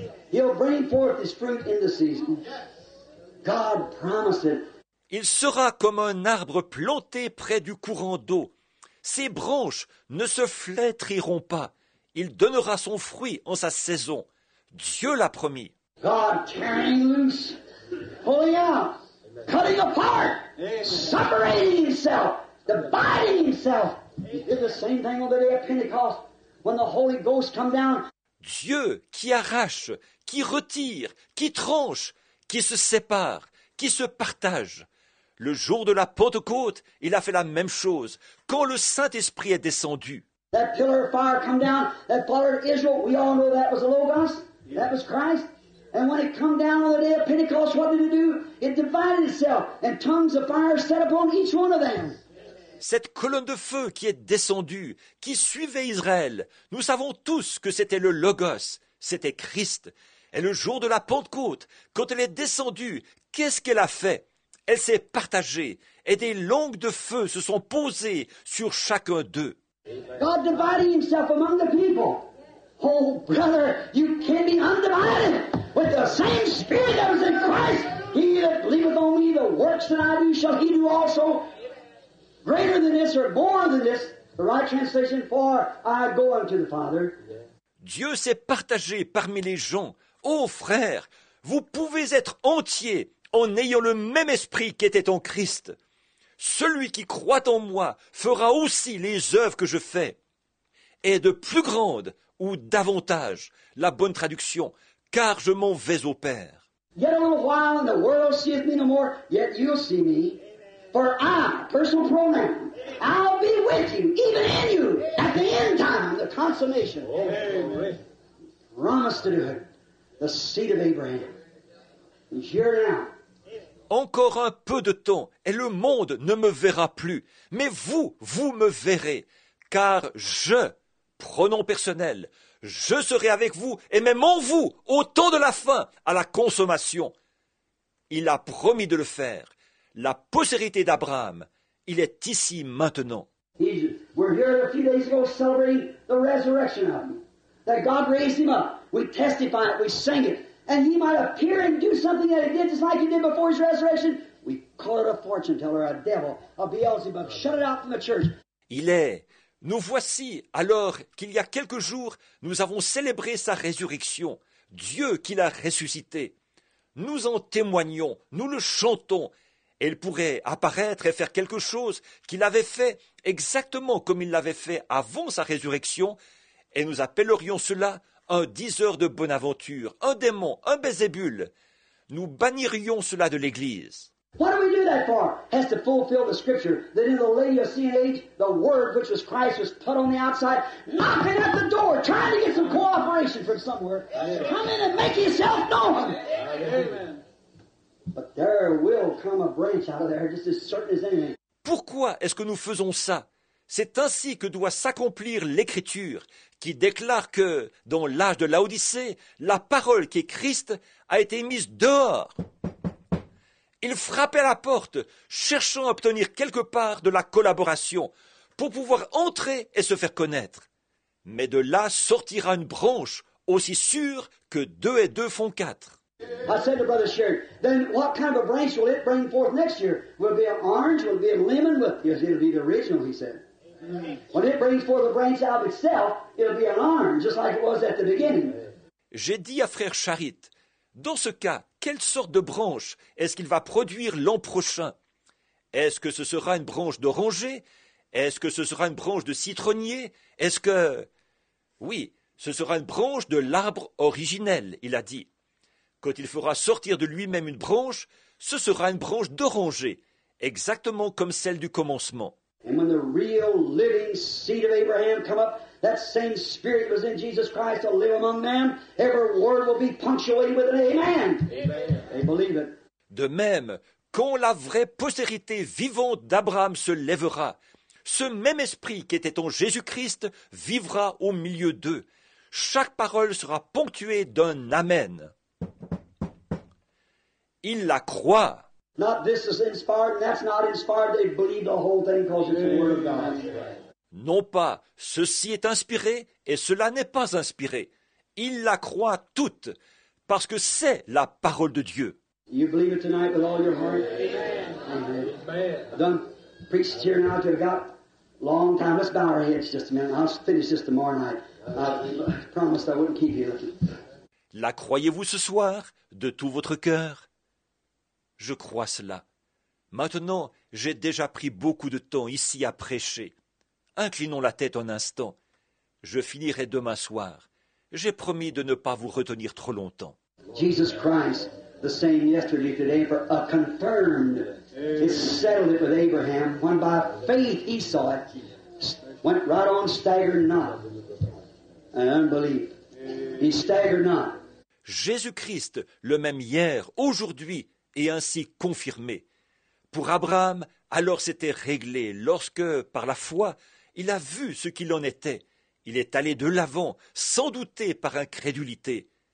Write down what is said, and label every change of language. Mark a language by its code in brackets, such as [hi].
[en] He'll bring forth his fruit in the season. God promised it. [fr] Il sera comme un arbre planté près du courant d'eau. Ses branches ne se flétriront pas. Il donnera son fruit en sa saison. Dieu l'a promis. [en] God turns, pulling out, cutting apart, separating himself, dividing himself. He did the same thing on the day of Pentecost when the Holy Ghost came down. [fr] Dieu qui arrache, qui retire, qui tranche, qui se sépare, qui se partage. Le jour de la Pentecôte, il a fait la même chose quand le Saint-Esprit est descendu. [en] That pillar of fire come down, that fire of Israel, we all know that was the Logos, that was Christ. And when it come down on the day of Pentecost, what did it do? It divided itself, and tongues of fire set upon each one of them. [fr] Cette colonne de feu qui est descendue, qui suivait Israël, nous savons tous que c'était le Logos, c'était Christ. Et le jour de la Pentecôte, quand elle est descendue, qu'est-ce qu'elle a fait? Elle s'est partagée, et des langues de feu se sont posées sur chacun d'eux. [en] God dividing himself among the people. Oh, brother, you can't be undivided with the same spirit that was in Christ. He that believeth on me, the works that I do, shall he do also. Greater than this, or more than this, the right translation, for I go unto the Father. [fr] Dieu s'est partagé parmi les gens. Oh, frère, vous pouvez être entier en ayant le même esprit qui était en Christ. Celui qui croit en moi fera aussi les œuvres que je fais. Et de plus grande ou davantage, la bonne traduction, car je m'en vais au Père. [en] Yet a little while and the world seeth me no more, yet you'll see me. For I, personal pronoun, I'll be with you, even in you, at the end time, the consummation. Promise to do it, the seed of Abraham. He's here now. [fr] Encore un peu de temps, et le monde ne me verra plus. Mais vous, vous me verrez, car je, pronom personnel, je serai avec vous, et même en vous, au temps de la fin, à la consommation. Il a promis de le faire. La postérité d'Abraham, il est ici maintenant. [en] We're here a few days ago celebrating the resurrection of him. That God raised him up. We testify it, we sing it. And he might appear and do something that he did just like he did before his resurrection. We call it a fortune teller, a devil, a Beelzebub. Shut it out from the church. [fr] Il est. Nous voici alors qu'il y a quelques jours, nous avons célébré sa résurrection. Dieu qui l'a ressuscité. Nous en témoignons. Nous le chantons. Et il pourrait apparaître et faire quelque chose qu'il avait fait exactement comme il l'avait fait avant sa résurrection. Et nous appellerions cela un diseur de bonne aventure, un démon, un Bézébul. Nous bannirions cela de l'Église. [en] What do we do that for? Has to fulfill the scripture that in the Laodicean age, the word which was Christ was put on the outside, knocking at the door, trying to get some cooperation from somewhere. Amen. Come in and make yourself known. Amen. But there will come a branch out of there just as certain as anything. [fr] Pourquoi est-ce que nous faisons ça? C'est ainsi que doit s'accomplir l'Écriture qui déclare que, dans l'âge de Laodicée, la parole qui est Christ a été mise dehors. Il frappait à la porte, cherchant à obtenir quelque part de la collaboration pour pouvoir entrer et se faire connaître. Mais de là sortira une branche aussi sûre que deux et deux font quatre. [en] I said to Brother Sherry, then what kind of a branch will it bring forth next year? Will it be an orange? Will it be a lemon? Yes, it'll be the original, he said. Amen. When it brings forth a branch out of itself, it'll be an orange, just like it was at the beginning. [fr] J'ai dit à Frère Charite, dans ce cas, quelle sorte de branche est-ce qu'il va produire l'an prochain? Est-ce que ce sera une branche d'oranger? Est-ce que ce sera une branche de citronnier? Est-ce que... Oui, ce sera une branche de l'arbre originel, il a dit. Quand il fera sortir de lui-même une branche, ce sera une branche d'oranger, exactement comme celle du commencement. [en] And when the real living seed of Abraham come up, that same spirit was in Jesus Christ to live among them, every word will be punctuated with an amen. Amen. They believe it. [fr] De même, quand la vraie postérité vivante d'Abraham se lèvera, ce même esprit qui était en Jésus-Christ vivra au milieu d'eux. Chaque parole sera ponctuée d'un amen. Il la croit. [en] Not this is inspired, that's not inspired. They believe the whole thing because it's the word of God. [fr] Non pas, ceci est inspiré et cela n'est pas inspiré. Il la croit toute parce que c'est la parole de Dieu. [en] You believe it tonight with all your heart? Amen. I've done preached here now to about long time. Let's bow our heads just a minute. I'll finish this tomorrow night. I promised I wouldn't keep you looking. [fr] La croyez-vous ce soir de tout votre cœur? Je crois cela. Maintenant, j'ai déjà pris beaucoup de temps ici à prêcher. Inclinons la tête un instant. Je finirai demain soir. J'ai promis de ne pas vous retenir trop longtemps. [en] Jesus Christ, the same yesterday, today, for a confirmed, it settled it with Abraham, when by faith he saw it, went right on staggered not, and unbelief. He staggered not. [fr] Jésus-Christ, le même hier, aujourd'hui, est ainsi confirmé. Pour Abraham, alors c'était réglé, lorsque, par la foi, il a vu ce qu'il en était. Il est allé de l'avant, sans douter par incrédulité.